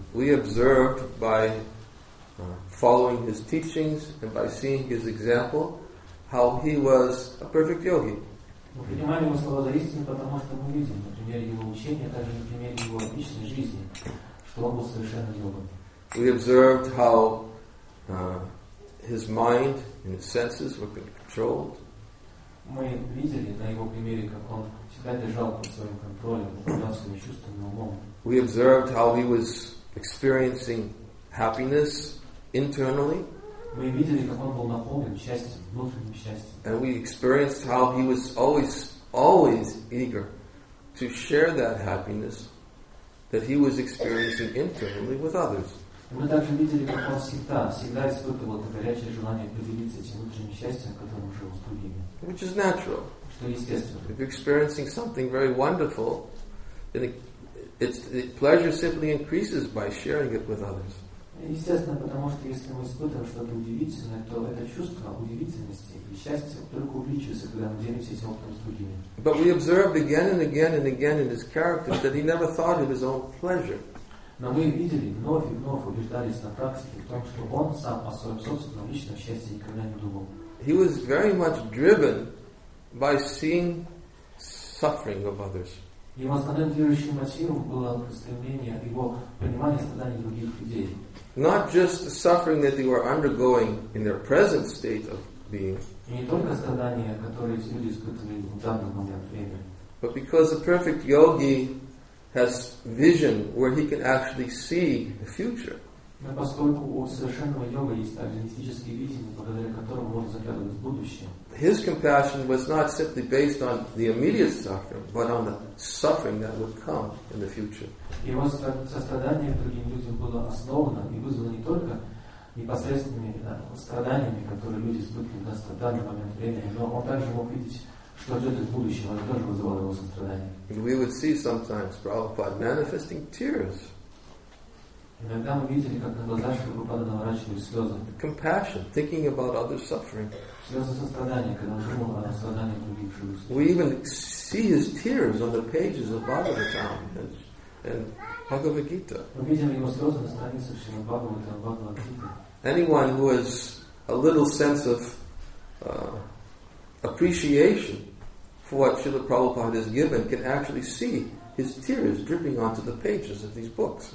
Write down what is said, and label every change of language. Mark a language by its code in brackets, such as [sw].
[en] we observed by following his teachings and by seeing his example how he was a perfect yogi. We observed how his mind and his senses were controlled. [ru] Мы видели на его примере, как он всегда держал под своим контролем, управлял своими чувствами и умом. [en] We observed how he was experiencing happiness internally. [ru] Мы видели, как он был наполнен счастьем, внутренним счастьем. [en] And we experienced how he was always, always eager to share that happiness that he was experiencing internally with others. [ru] Мы также видели, как он всегда испытывал это горячее желание поделиться этим внутренним счастьем, которым жил с другими. [en] Which is natural. If you're experiencing something very wonderful, then the pleasure simply increases by sharing it with others. [ru] Естественно, потому что если мы испытываем что-то удивительное, то это чувство удивительности и счастья только увеличивается, когда мы делимся этим опытом с другими. [en] But we observed again and again and again in his character that he never thought of his own pleasure. [ru] Но мы видели вновь и вновь убеждались на практике в том, что он сам о своем собственном личном счастье никогда не думал. [en] He was very much driven by seeing suffering of others. [ru] Его основным движущим мотивом было стремление, его понимание страданий других людей. [en] Not just the suffering that they were undergoing in their present state of being. [ru] И не только страдания, которые люди испытывали в данный момент времени. [en] But because a perfect yogi has vision where he can actually see the future. [ru] Но поскольку у совершенного йога есть аргентические видения, благодаря которым он заглядывает в будущее. [en] His compassion was not simply based on the immediate suffering, but on the suffering that would come in the future. [ru] Его сострадание другим людям было основано и вызвано не только непосредственными страданиями, которые люди испытывают в данный момент времени, но он также мог видеть, что ждет их в будущем, это тоже вызывало его сострадание. [en] We would see sometimes Prabhupada manifesting tears. [ru] Иногда мы видели, как на глазах Шрилы Прабхупады наворачивались слезы. [en] Compassion, thinking about other suffering. [ru] Слезы сострадания, когда он думал о страдании других живущих. [en] We even see his tears on the pages of Bhagavatam and Bhagavad Gita. [ru] Мы видим его слезы на страницах Шрилы Прабхупады и Бхагавад Гиты. [en] Anyone who has a little sense of appreciation for what Srila Prabhupada has given can actually see his tears dripping onto the pages of these books.